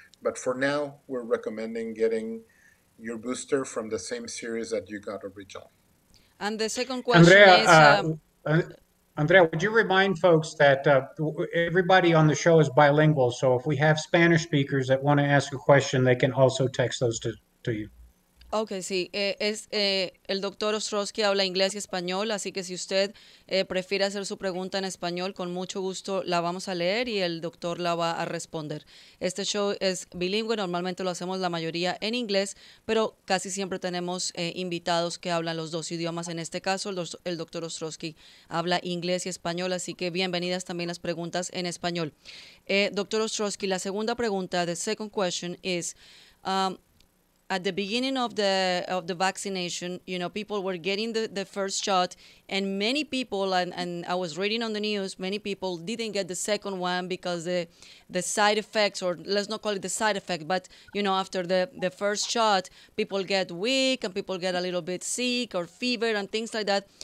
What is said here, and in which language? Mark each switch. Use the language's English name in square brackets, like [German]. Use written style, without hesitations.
[English] But for now, we're recommending getting your booster from the same series that you got originally. And the second question, Andrea, would you remind folks that everybody on the show is bilingual, so if we have Spanish speakers that want to ask a question, they can also text those to you. [Spanish] Okay, sí. El doctor Ostrowski habla inglés y español, así que si usted prefiere hacer su pregunta en español, con mucho gusto la vamos a leer y el doctor la va a responder. Este show es bilingüe, normalmente lo hacemos la mayoría en inglés, pero casi siempre tenemos invitados que hablan los dos idiomas. En este caso, el doctor Ostrowski habla inglés y español, así que bienvenidas también las preguntas en español. Doctor Ostrowski, la segunda pregunta, [English] the second question is... at the beginning of the vaccination, you know, people were getting the first shot, and many people, and I was reading on the news, many people didn't get the second one because the side effects, or let's not call it the side effect, but, you know, after the first shot, people get weak and people get a little bit sick or fever and things like that.